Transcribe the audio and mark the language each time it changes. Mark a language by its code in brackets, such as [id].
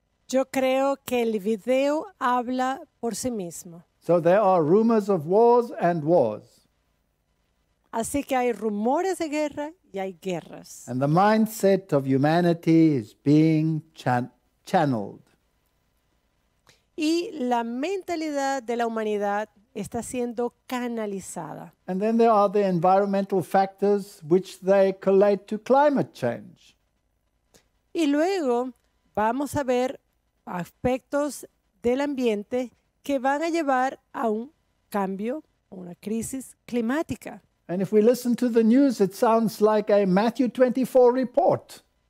[es] Yo creo que el video habla por sí mismo. [en] So there are rumors of wars and wars. [es] Así que hay rumores de guerra y hay guerras. [en] And the mindset of humanity is being channeled. [es] Y la mentalidad de la humanidad está siendo canalizada. [en] And then there are the environmental factors which they collate to climate change. [es] Y luego vamos a ver aspectos del ambiente que van a llevar a un cambio, una crisis climática. [en] And if we listen to the news, it sounds like a Matthew 24 report.